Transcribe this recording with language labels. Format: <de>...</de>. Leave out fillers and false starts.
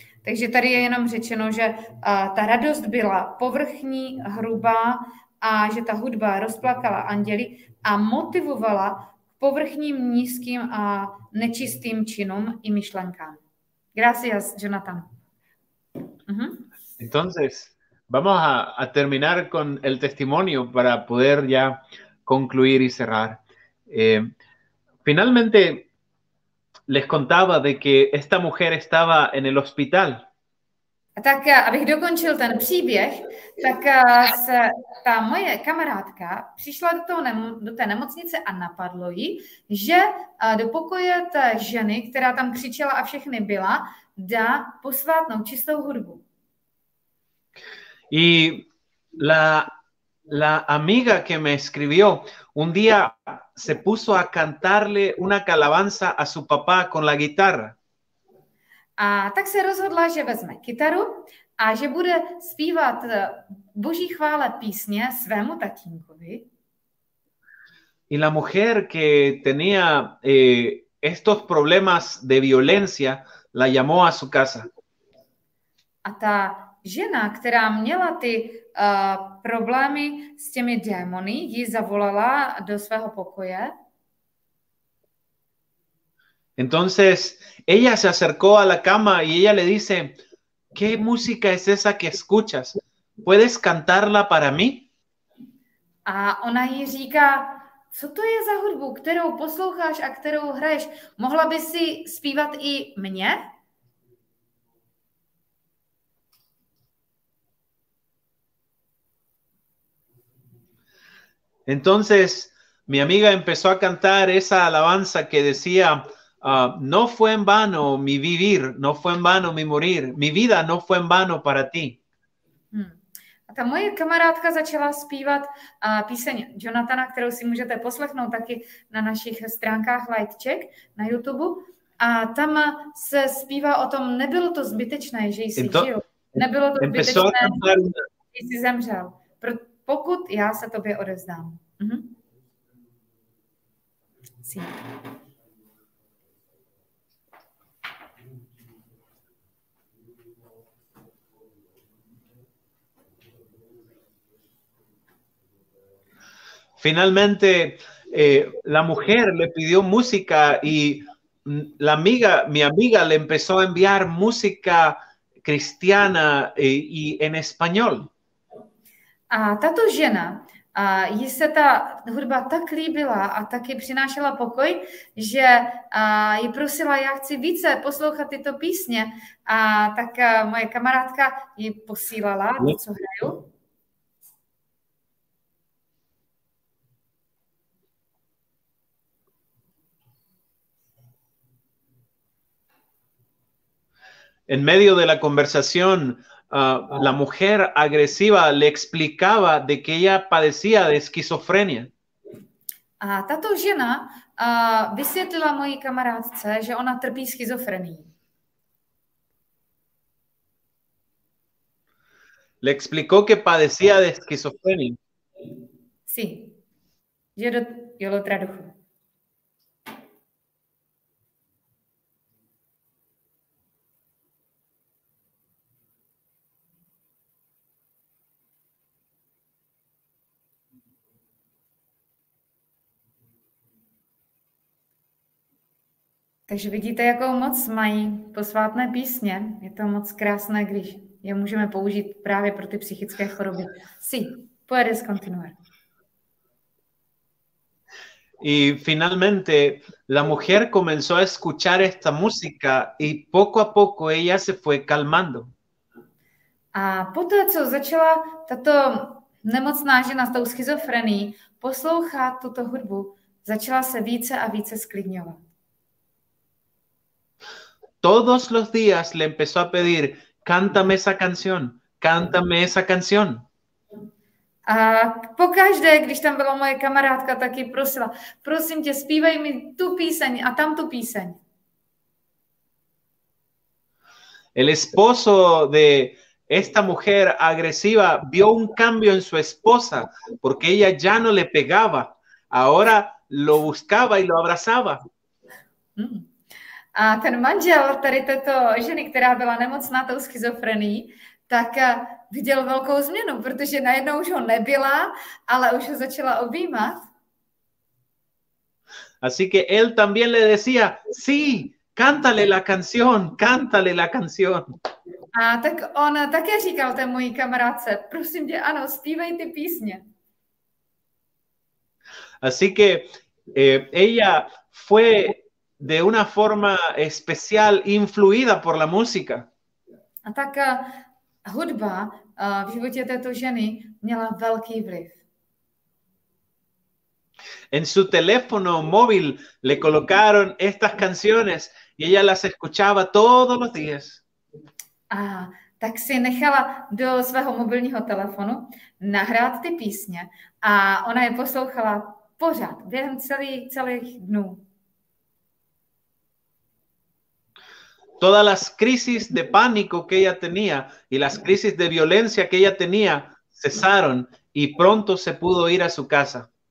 <cs>Takže tady je jenom řečeno, že ta radost byla povrchní, hrubá a že ta hudba rozplakala anděli a motivovala k povrchním, nízkým a nečistým činům i myšlenkám.</cs> <es>Gracias, Jonathan. Entonces, vamos a terminar con el testimonio para poder ya concluir y cerrar. Finalmente, les contaba de que esta mujer estaba en el hospital.</es> <cs>Tak, abych dokončil ten příběh, tak ta moje kamarádka přišla do té nemocnice a napadlo jí, že do pokoje té ženy, která tam křičela a všechny byla, dá posvátnou čistou hudbu.</cs> <es>Y la amiga que me escribió un día se puso a cantarle una alabanza a su papá con la guitarra.</es> <cs>A tak se rozhodla, že vezme kytaru a že bude zpívat Boží chvále písně svému tatínkovi.</cs> <es>Y la mujer que tenía estos problemas de violencia la llamó a su casa.</es> <cs>A ta žena, která měla ty problémy s těmi démony, ji zavolala do svého pokoje.</cs> <es>Entonces, ella se acercó a la cama y ella le dice, ¿Qué música es esa que escuchas? ¿Puedes cantarla para mí?</es> <cs>A ona jí říká, co to je za hudbu, kterou posloucháš a kterou hraješ? Mohla bys si zpívat i mně?</cs> <es>Entonces, mi amiga empezó a cantar esa alabanza que decía, no fue en vano mi vivir, no fue en vano mi morir, mi vida no fue en vano para ti.</es> <cs>A ta moje kamarádka začala zpívat píseň Jonathana, kterou si můžete poslechnout taky na našich stránkách Light Check na YouTube. A tam se zpívá o tom, nebylo to zbytečné, že jsi žil. Nebylo to zbytečné, že jsi zemřel. Pokud já se tobě odevzdám.</cs> <es>Finalmente, la mujer le pidió música y la amiga, mi amiga, le empezó a enviar música cristiana y en español.</es> <cs>A tato žena, a jí se ta hudba tak líbila a taky přinášela pokoj, že jí prosila, já chci více poslouchat tyto písně, a tak moje kamarádka jí posílala, co hraju.</cs> <es>En medio de la conversación, la mujer agresiva le explicaba de que ella padecía de esquizofrenia.</es> <cs>A tato žena vysvětlila mojí kamarádce, že ona trpí schizofrenií.</cs> <es>Le explicó que padecía de esquizofrenia. Sí. Yo lo tradujo.</es> <cs>Takže vidíte, jakou moc mají posvátné písně. Je to moc krásné, když je můžeme použít právě pro ty psychické choroby.</cs> <es>Sí, puedes continuar. Y finalmente la mujer comenzó a escuchar esta música y poco a poco ella se fue calmando.</es> <cs>A poté, co začala tato nemocná žena s tou schizofrenií poslouchat tuto hudbu, začala se více a více sklidňovat.</cs> <es>Todos los días le empezó a pedir, cántame esa canción, cántame esa canción.</es> <cs>A pokaždé, když tam byla moje kamarádka, tak ji prosila, prosím tě, zpívej mi tu píseň a tam tu píseň.</cs> <es>El esposo de esta mujer agresiva vio un cambio en su esposa, porque ella ya no le pegaba, ahora lo buscaba y lo abrazaba.</es> <cs>A ten manžel tady této ženy, která byla nemocná tou schizofrenií, tak viděl velkou změnu, protože najednou už ho nebyla, ale už ho začala objímat.</cs> <es>Así que él también le decía, sí, cántale la canción, cántale la canción.</es> <cs>A tak on také říkal té mojí kamarádce, prosím tě, ano, zpívej ty písně.</cs> <es>Así que ella fue de una forma especial influida por la música.</es> <cs>A tak hudba v životě této ženy měla velký vliv.</cs> <es>En su teléfono móvil le colocaron estas canciones y ella las escuchaba todos los días.</es> <cs>A tak si nechala do svého mobilního telefonu nahrát ty písně a ona je poslouchala pořád během celých dnů.</cs> <es>Todas las crisis de pánico que ella tenía y las crisis de violencia que ella tenía cesaron y pronto se pudo ir a su casa.</es>